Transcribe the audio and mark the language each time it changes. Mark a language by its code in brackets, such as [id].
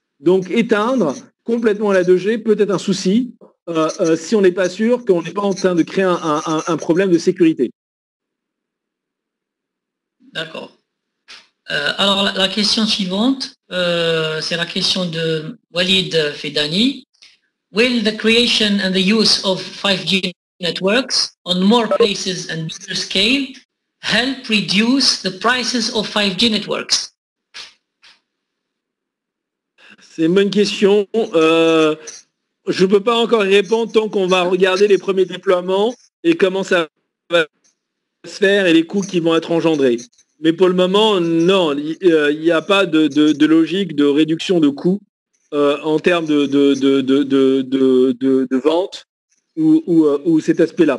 [fr] Donc, éteindre complètement la 2G peut être un souci si on n'est pas sûr qu'on n'est pas en train de créer un problème de sécurité. D'accord. Alors, la question suivante, c'est la question de Walid Fedani. [en] Will the creation and the use of 5G networks on more places and bigger scale help reduce the prices of 5G networks? [fr] C'est une bonne question. Je ne peux pas encore répondre tant qu'on va regarder les premiers déploiements et comment ça va se faire et les coûts qui vont être engendrés. Mais pour le moment, non, il n'y a pas de logique de réduction de coûts en termes de vente ou cet aspect-là.